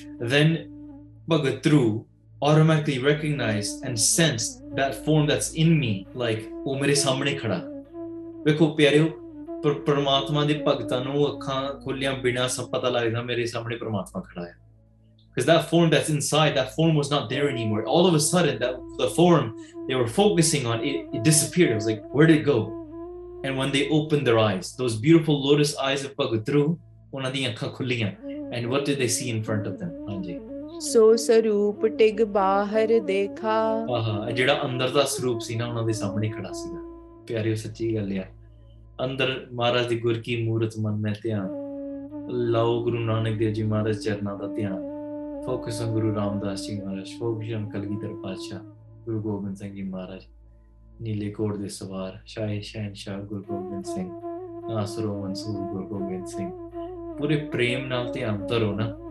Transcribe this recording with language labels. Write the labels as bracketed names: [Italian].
[English] then Bhagat Dhru automatically recognise and sense that form that's in me, like [Punjabi] ਉਹ ਮੇਰੇ ਸਾਹਮਣੇ ਖੜਾ. ਵੇਖੋ ਪਿਆਰਿਓ, ਪਰਮਾਤਮਾ ਦੇ ਭਗਤਾਂ ਨੂੰ ਅੱਖਾਂ ਖੋਲਿਆਂ ਬਿਨਾਂ ਸਭ ਪਤਾ ਲੱਗਦਾ ਮੇਰੇ ਸਾਹਮਣੇ ਪਰਮਾਤਮਾ ਖੜਾ ਹੈ. [English] Because that form that's inside, that form was not there anymore. All of a sudden, that the form they were focusing on, it disappeared. It was like, where did it go? And when they opened their eyes, those beautiful lotus eyes of Bhagat Dhru, [Punjabi] ਉਹਨਾਂ ਦੀਆਂ ਅੱਖਾਂ ਖੁੱਲੀਆਂ. [English] And what did they see in front of them? [Punjabi] ਹਾਂਜੀ. ਸੋ ਸਰੂਪ TIG ਬਾਹਰ ਦੇਖਾ. ਆਹਾ, ਜਿਹੜਾ ਅੰਦਰ ਦਾ ਸਰੂਪ ਸੀ ਨਾ ਉਹਨਾਂ ਦੇ ਸਾਹਮਣੇ ਖੜਾ ਸੀਗਾ. ਪਿਆਰੀ, ਉਹ ਸੱਚੀ ਗੱਲ ਆ. ਅੰਦਰ ਮਹਾਰਾਜ ਦੀ ਗੁਰ ਕੀ ਮੂਰਤ ਮੰਨੇ ਧਿਆਨ ਲਓ, ਗੁਰੂ ਨਾਨਕ ਦੇਵ ਜੀ ਮਹਾਰਾਜ ਚਰਨਾਂ ਦਾ ਧਿਆਨ, ਫੋਕਸ ਆਨ ਗੁਰੂ ਰਾਮਦਾਸ ਜੀ ਮਹਾਰਾਜ, ਫੋਕਸ ਆਨ ਕਲਗੀਧਰ ਪਾਤਸ਼ਾਹ, ਗੁਰੂ ਗੋਬਿੰਦ ਸਿੰਘ ਜੀ ਮਹਾਰਾਜ, ਨੀਲੇ ਕੋਟ ਦੇ ਸਵਾਰ ਸ਼ਾਹੀ ਸ਼ਹਿਨਸ਼ਾਹ ਗੁਰੂ ਗੋਬਿੰਦ ਸਿੰਘ, ਨਾਸਰੋ ਮਨਸੂਰ ਗੁਰੂ ਗੋਬਿੰਦ ਸਿੰਘ, ਪੂਰੇ ਪ੍ਰੇਮ ਨਾਲ ਧਿਆਨ ਧਰੋ ਨਾ.